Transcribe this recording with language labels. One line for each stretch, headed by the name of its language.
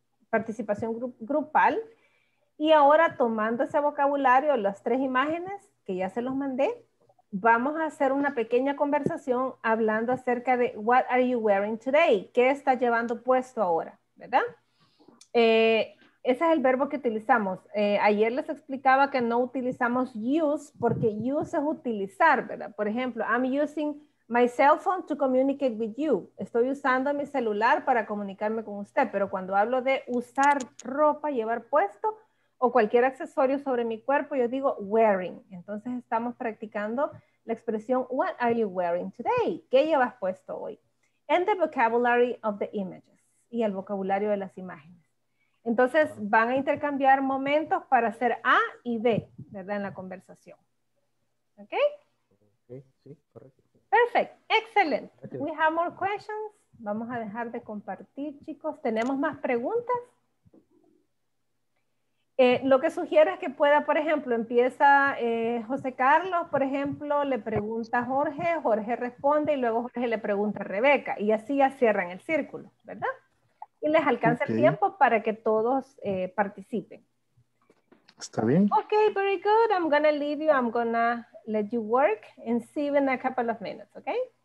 Spanish: participación grupal y ahora tomando ese vocabulario, las tres imágenes que ya se los mandé, vamos a hacer una pequeña conversación hablando acerca de
English: what are you wearing today,
Spanish: qué estás llevando puesto ahora, ¿verdad? Ese es el verbo que utilizamos. Ayer les explicaba que no utilizamos use porque use es utilizar, ¿verdad? Por ejemplo,
English: I'm using my cell phone to communicate with you.
Spanish: Estoy usando mi celular para comunicarme con usted, pero cuando hablo de usar ropa, llevar puesto o cualquier accesorio sobre mi cuerpo, yo digo wearing. Entonces estamos practicando la expresión
English: what are you wearing today?
Spanish: ¿Qué llevas puesto hoy?
English: And the vocabulary of the images
Spanish: y el vocabulario de las imágenes. Entonces, van a intercambiar momentos para hacer A y B, ¿verdad? En la conversación. ¿Ok? Sí, correcto.
English: Perfect. Excellent. We have more questions.
Spanish: Vamos a dejar de compartir, chicos. ¿Tenemos más preguntas? Lo que sugiero es que pueda, por ejemplo, empieza José Carlos, por ejemplo, le pregunta a Jorge, Jorge responde y luego Jorge le pregunta a Rebeca. Y así ya cierran el círculo, ¿verdad? Y les alcanza okay. El tiempo para que todos participen. Está bien.
English: Okay, very good. I'm gonna leave you. I'm gonna let you work and see you in a couple of minutes, okay?